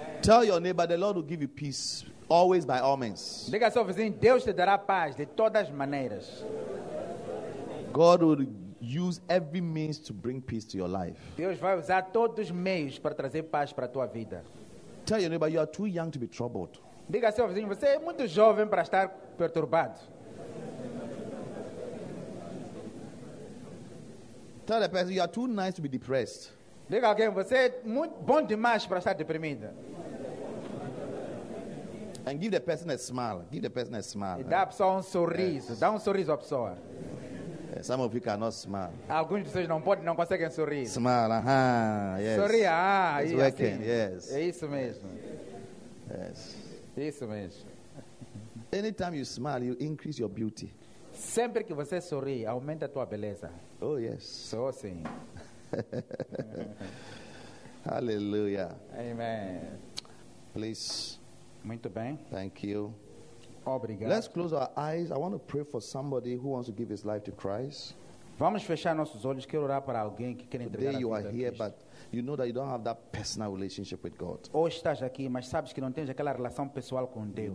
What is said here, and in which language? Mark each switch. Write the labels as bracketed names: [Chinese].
[English] Tell your neighbor the Lord will give you peace always by all means. [Portuguese] Diga ao seu vizinho, Deus te dará paz de todas as maneiras. [English] God will use every means to bring peace to your life. [Portuguese] Deus vai usar todos os meios para trazer paz para a tua vida. [English] Tell your neighbor you are too young to be troubled. [Portuguese] Diga ao seu vizinho, você é muito jovem para estar perturbado. [English] Tell the person you are too nice to be depressed. [Portuguese] Diga alguém, você é muito bom demais para estar deprimido. [English] And give the person a smile. Give the person a smile. [Portuguese] E dá a pessoa um sorriso. Yes. Dá um sorriso à pessoa. [English] Some of you cannot smile. [Portuguese] Alguns de vocês não podem, não conseguem sorrir. [English] Smile, yes. [Portuguese] Sorria, [English] it's working, yes. [Portuguese] É isso mesmo. [English] Yes. [Portuguese] É isso mesmo. [English] Anytime you smile, you increase your beauty. [Portuguese] Sempre que você sorri, aumenta a tua beleza. [English] Oh, yes. [Portuguese] So, sim. Hallelujah. Amen. [English] Please. [Portuguese] Muito bem. [English] Thank you. [Portuguese] Obrigado. [English] Let's close our eyes. I want to pray for somebody who wants to give his life to Christ. [Portuguese] Vamos fechar nossos olhos. Quero orar para alguém que quer entregar a vida a Cristo. [English] Today you are here, but you know that you don't have that personal relationship with God. [Portuguese] Hoje estás aqui, mas sabes que não tens aquela relação pessoal com Deus.